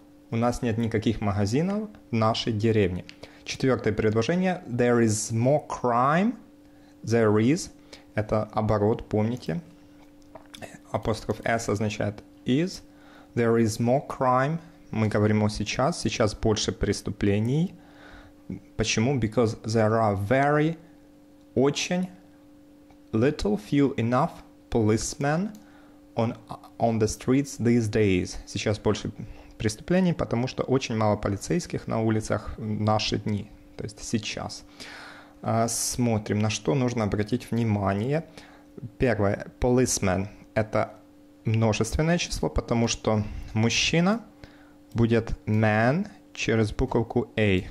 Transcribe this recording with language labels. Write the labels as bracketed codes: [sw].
[ru] У нас нет никаких магазинов в нашей деревне. Четвертое предложение. [en] There is more crime. There is. [ru] Это оборот, помните. Апостроф S означает is. [en] There is more crime. [ru] Мы говорим о сейчас. Сейчас больше преступлений. Почему? [en] Because there are very, очень, little, few, enough policemen on the streets these days. [ru] Сейчас больше преступлений, потому что очень мало полицейских на улицах в наши дни. То есть сейчас. Смотрим, на что нужно обратить внимание. Первое. Policeman. Это множественное число, потому что мужчина будет man через буковку A.